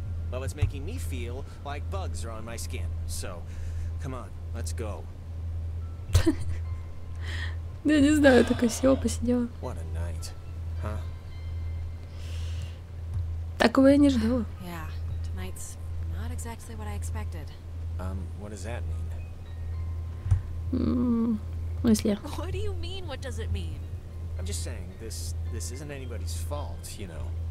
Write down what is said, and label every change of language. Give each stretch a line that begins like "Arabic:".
English: Well, it's making me feel like bugs are on my skin. So, come on, let's go.
Russian: Да не знаю, только села, посидела.
English: What a night, huh?
Russian: Такого я не ждала.
English: Yeah, tonight's not exactly what I expected. What does that mean?
Russian: Мысли.
English: What do you mean? What does it mean? I'm just saying this isn't anybody's fault, you know.